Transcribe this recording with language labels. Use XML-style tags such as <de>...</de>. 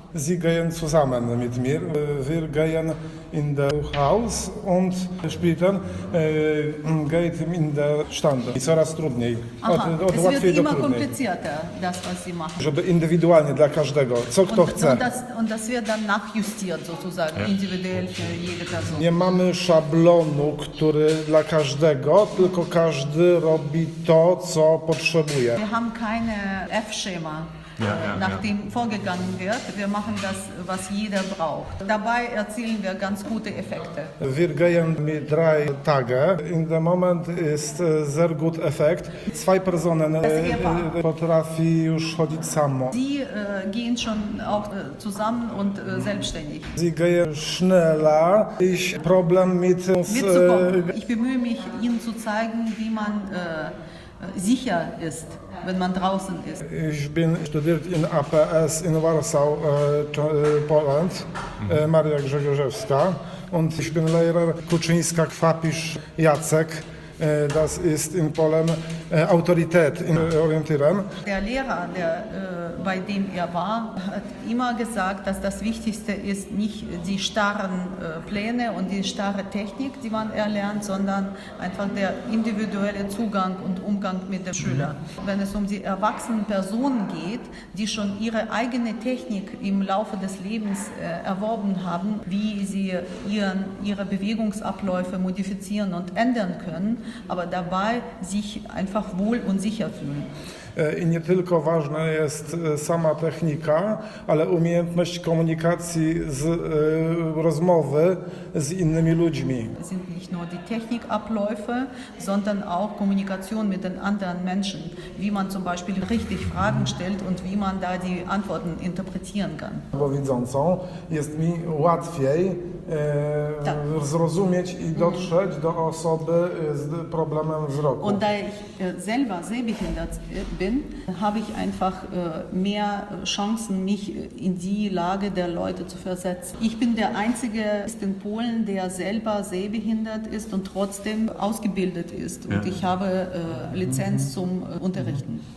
<de>sie gehen zusammen mit mir. Wir gehen in das Haus und später geht in den Stand. Es wird immer komplizierter, das, was sie machen. Individuell für jeden, was er möchte. Und das wird dann nachjustiert, sozusagen, ja. Individuell für jede Person.</de> <pl>Nie mamy szablonu, który dla każdego, tylko każdy robi to, co potrzebuje.</pl> <de>Wir haben keine F-Schema. Nachdem vorgegangen wird, wir machen das, was jeder braucht. Dabei erzielen wir ganz gute Effekte. Wir gehen mit 3 Tagen. In dem Moment ist sehr gut Effekt. 2 Personen</de> <pl>potrafi już chodzić samo.</pl> <de>Sie gehen schon auch zusammen und selbstständig. Sie gehen schneller. Ich Problem mit uns. Ich bemühe mich, Ihnen zu zeigen, wie man sicher ist. Wenn man draußen ist. Ich bin studiert in APS in Warsaw, Poland, Maria Grzegorzewska. Und ich bin Lehrer Kuczyńska Kwapisz Jacek. Das ist in Polen Autorität in Orientieren. Der Lehrer, der, bei dem er war, hat immer gesagt, dass das Wichtigste ist nicht die starren Pläne und die starre Technik, die man erlernt, sondern einfach der individuelle Zugang und Umgang mit dem Schüler. Wenn es um die erwachsenen Personen geht, die schon ihre eigene Technik im Laufe des Lebens erworben haben, wie sie ihre Bewegungsabläufe modifizieren und ändern können, aber dabei sich einfach wohl und sicher fühlen.</de> <pl>I nie tylko ważna jest sama technika, ale umiejętność komunikacji, z rozmowy z innymi ludźmi.</pl> <de>Es sind nicht nur die Technikabläufe, sondern auch Kommunikation mit den anderen Menschen, wie man zum Beispiel richtig Fragen stellt und wie man da die Antworten interpretieren kann.</de> <pl>Bo widzącą jest mi łatwiej zrozumieć i dotrzeć do osoby z problemem wzroku.</pl> <de>Und da ich selber sehbehindert bin, habe ich einfach mehr Chancen, mich in die Lage der Leute zu versetzen. Ich bin der Einzige in Polen, der selber sehbehindert ist und trotzdem ausgebildet ist. Und ich habe Lizenz zum Unterrichten.</de>